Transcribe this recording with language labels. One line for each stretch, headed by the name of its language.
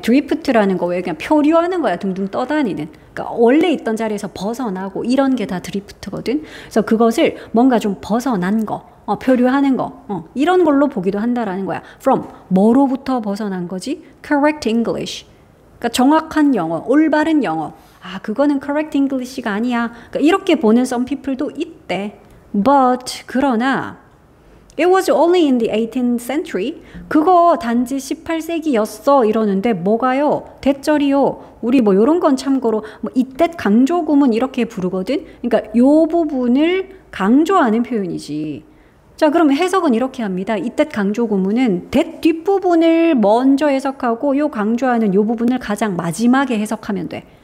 Korean: 드리프트라는 거 왜 그냥 표류하는 거야. 둥둥 떠다니는. 그러니까 원래 있던 자리에서 벗어나고 이런 게 다 드리프트거든. 그래서 그것을 뭔가 좀 벗어난 거, 표류하는 거, 이런 걸로 보기도 한다라는 거야. From 뭐로부터 벗어난 거지? Correct English. 그러니까 정확한 영어, 올바른 영어. 아, 그거는 correct English가 아니야. 그러니까 이렇게 보는 some people도 있대.
English: But
Korean: 그러나
English: It was only in the 18th century.
Korean: 그거 단지 18세기였어 이러는데 뭐가요? 대절이요. 우리 뭐 이런 건 참고로 뭐 이때 강조구문 이렇게 부르거든. 그러니까 요 부분을 강조하는 표현이지. 자, 그럼 해석은 이렇게 합니다. 이때 강조구문은 that 뒷부분을 먼저 해석하고 요 강조하는 요 부분을 가장 마지막에 해석하면 돼.